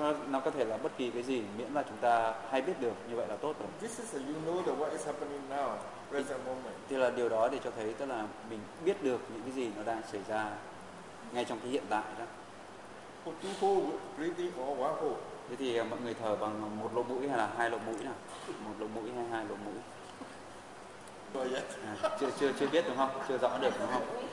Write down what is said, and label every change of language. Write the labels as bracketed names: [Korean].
[Vietnamese] Nó có thể là bất kỳ cái gì, miễn là chúng ta hay biết được, như vậy là tốt rồi. [English] This is a, you know the, what is happening now, present moment. [Vietnamese] Thì là điều đó để cho thấy, tức là mình biết được những cái gì nó đang xảy ra ngay trong cái hiện tại đó. [English] For two hole, breathing or one hole. [Vietnamese] Thế thì mọi người thở bằng một lỗ mũi hay là hai lỗ mũi nào? Một lỗ mũi hay hai lỗ mũi? Chưa biết đúng không? Chưa rõ được đúng không?